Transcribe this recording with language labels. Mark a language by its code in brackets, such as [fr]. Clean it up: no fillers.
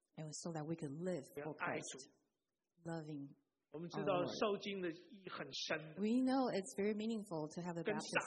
[en] And so that we could live for Christ Loving [zh] 我们知道受浸的意义很深 [en] We know it's very meaningful to have a baptism